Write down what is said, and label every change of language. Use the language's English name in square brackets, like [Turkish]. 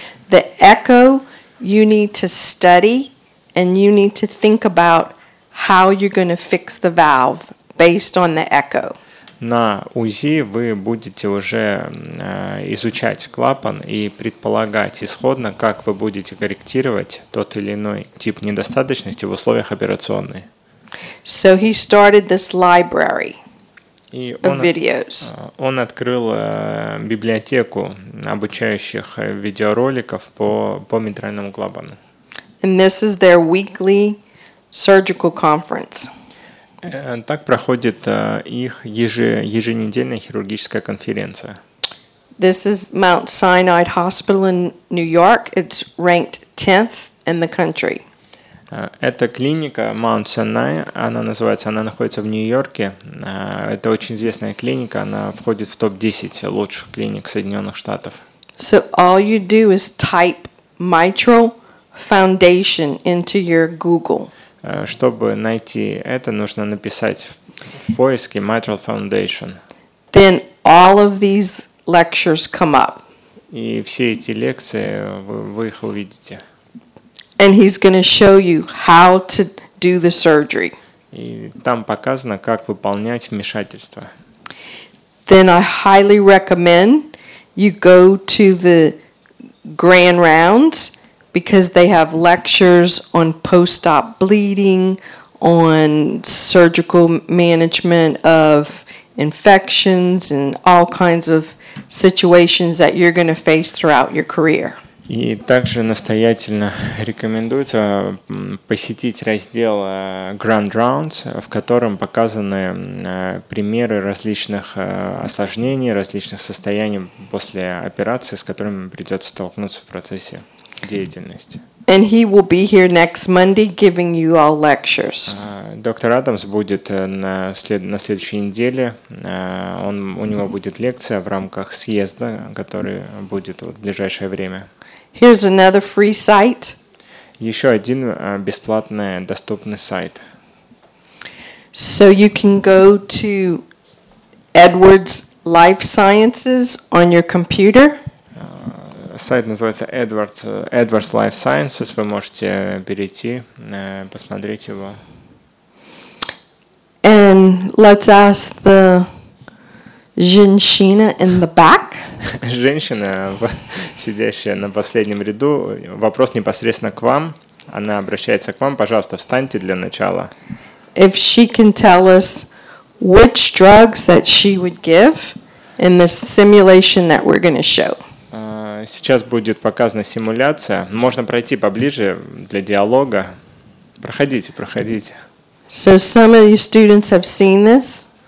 [English] The echo you need to study and you need to think about how you're going to fix the valve based on the echo. [Russian] на УЗИ вы будете уже изучать клапан и предполагать исходно, как вы будете корректировать тот или иной тип недостаточности в условиях операционной. [English] So he started this library of videos. [Russian] Он открыл библиотеку обучающих видеороликов по митральному клапану. [English] And this is their weekly surgical conference. [Russian] Так проходит их еженедельная хирургическая конференция. [English] This is Mount Sinai Hospital in New York. It's ranked 10th in the country. [Russian] Это клиника Mount Sinai, она называется, она находится в Нью-Йорке. Это очень известная клиника, она входит в топ-10 лучших клиник Соединенных Штатов. [English] So all you do is type mitral foundation into your Google. [Russian] Чтобы найти это, нужно написать в поиске mitral foundation. [English] Then all of these lectures come up. [Russian] И все эти лекции, вы их увидите. [English] And he's going to show you how to do the surgery. [Russian] И там показано, как выполнять вмешательство. [English] Then I highly recommend you go to the grand rounds because they have lectures on post-op bleeding, on surgical management of infections and all kinds of situations that you're going to face throughout your career. [Russian] И также настоятельно рекомендуется посетить раздел Grand Rounds, в котором показаны примеры различных осложнений, различных состояний после операции, с которыми придется столкнуться в процессе деятельности. [English] And he will be here next Monday giving you all lectures. [Russian] Доктор Адамс будет на следующей неделе. У него будет лекция в рамках съезда, который будет в ближайшее время. [English] Here's another free site. [Russian] Еще один бесплатный доступный сайт. [English] So you can go to Edwards Life Sciences on your computer. [Russian] Сайт называется Edwards Life Sciences. Вы можете перейти, посмотреть его. [English] And let's ask the [Russian] женщина [English] in the back. [Russian] Женщина, сидящая на последнем ряду, вопрос непосредственно к вам. Она обращается к вам. Пожалуйста, встаньте для начала. [English] If she can tell us which drugs that she would give in the simulation that we're going to show. [Russian] Сейчас будет показана симуляция. Можно пройти поближе для диалога. Проходите. [English] So some of your students have seen this.